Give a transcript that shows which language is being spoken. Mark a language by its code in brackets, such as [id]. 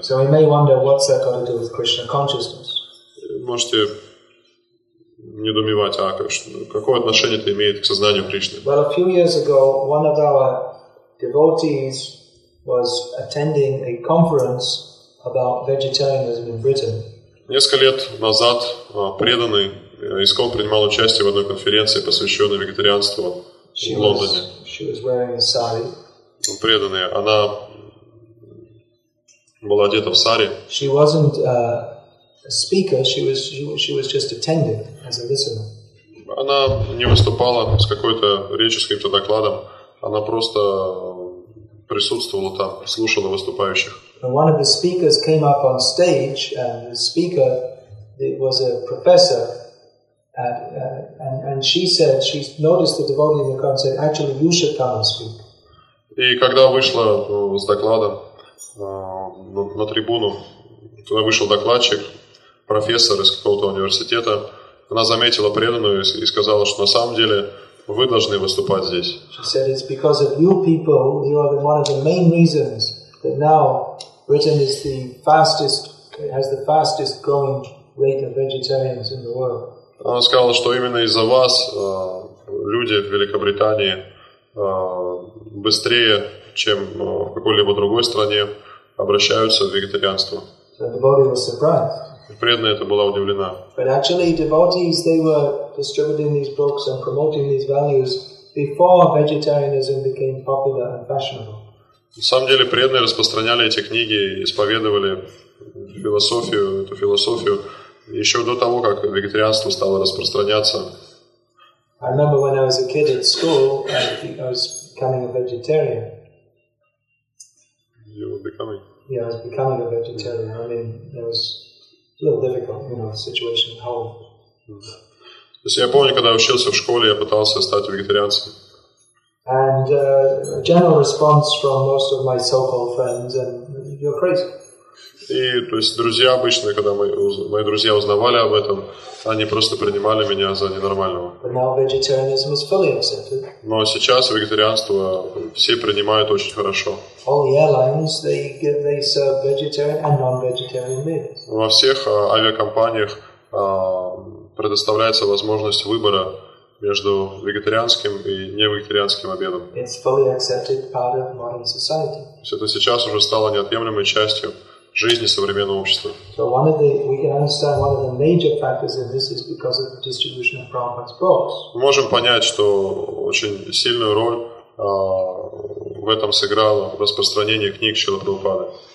[en] So we may wonder what's that got to do with Krishna consciousness. [ru] Можете недоумевать, какое отношение это имеет к сознанию Кришны? [en] Well, a few years ago, one of our devotees was attending a conference about vegetarianism in Britain. [ru] Несколько лет назад преданный искон принимал участие в одной конференции, посвященной вегетарианству в Лондоне. [en] She was wearing a sari. [ru] Преданная, она была одета в сари. [en] She wasn't a speaker, she was just attending as a listener. [ru] Она не выступала с какой-то речью, с каким-то докладом. Она просто присутствовала там, слушала выступающих. [en] And one of the speakers came up on stage, and the speaker, it was a professor, and she said, she noticed the devotee in the crowd and said, actually, you should come and speak. [ru] И когда вышла с докладом на трибуну, туда вышел докладчик, профессор из какого-то университета, она заметила преданную и сказала, что на самом деле вы должны выступать здесь. [en] She said, it's because of you people, you are one of the main reasons that now Britain is the fastest, has the fastest growing rate of vegetarians in the world. [ru] Она сказала, что именно из-за вас люди в Великобритании быстрее, чем в какой-либо другой стране, обращаются в вегетарианство. [en] So the body was surprised. [ru] Преданная это была удивлена. [en] But actually, devotees, they were distributing these books and promoting these values before vegetarianism became popular and fashionable. [ru] На самом деле, преданные распространяли эти книги, исповедовали философию, эту философию еще до того, как вегетарианство стало распространяться. [en] I remember when I was a kid at school, I was becoming a vegetarian. You were becoming? Yeah, I was becoming a vegetarian. I mean, there was a little difficult, you know, situation at home. [ru] То есть я помню, когда учился в школе, я пытался стать вегетарианцем. [en] And a general response from most of my so-called friends, and you're crazy. [ru] И, то есть, друзья обычно, когда мои друзья узнавали об этом, они просто принимали меня за ненормального. [en] But now vegetarianism is fully accepted. [ru] Но сейчас вегетарианство все принимают очень хорошо. [en] All the airlines, they serve vegetarian and non-vegetarian meals. [ru] Во всех авиакомпаниях предоставляется возможность выбора между вегетарианским и невегетарианским обедом. [en] It's fully accepted part of modern society. [ru] То есть, это сейчас уже стало неотъемлемой частью жизни современного общества. [en] So one of the, we can understand one of the major factors in this is because of the distribution of Prabhupada's books. [ru] Мы можем понять, что очень сильную роль в этом сыграло распространение книг Шрилы Прабхупады.